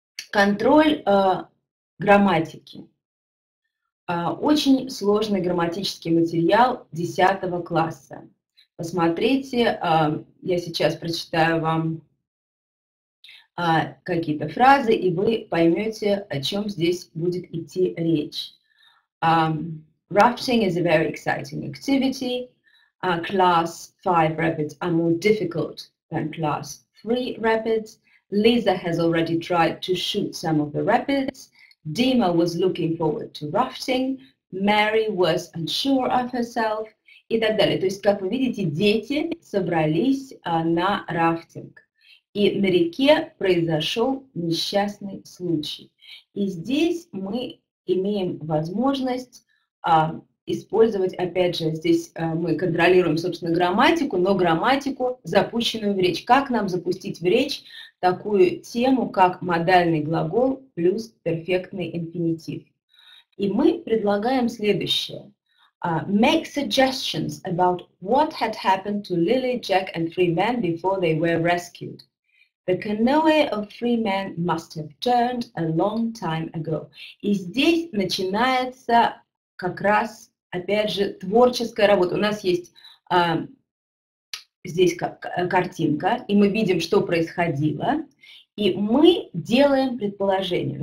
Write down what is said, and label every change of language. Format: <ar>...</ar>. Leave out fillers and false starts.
<ru>Контроль грамматики. Очень сложный грамматический материал 10 класса. Посмотрите, я сейчас прочитаю вам какие-то фразы, и вы поймете, о чем здесь будет идти речь.</ru> <en>Rafting is a very exciting activity. Class 5 rapids are more difficult than class 3 rapids. Lisa has already tried to shoot some of the rapids. Dima was looking forward to rafting. Mary was unsure of herself.</en> <ru>И так далее. То есть, как вы видите, дети собрались на рафтинг. И на реке произошел несчастный случай. И здесь мы имеем возможность использовать, опять же, здесь мы контролируем, собственно, грамматику, но грамматику, запущенную в речь. Как нам запустить в речь такую тему, как модальный глагол плюс перфектный инфинитив? И мы предлагаем следующее.</ru> <en>Make suggestions about what had happened to Lily, Jack and three men before they were rescued. The canoe of three men must have turned a long time ago.</en> <ru>И здесь начинается как раз, опять же, творческая работа. У нас есть здесь картинка, и мы видим, что происходило, и мы делаем предположение.</ru>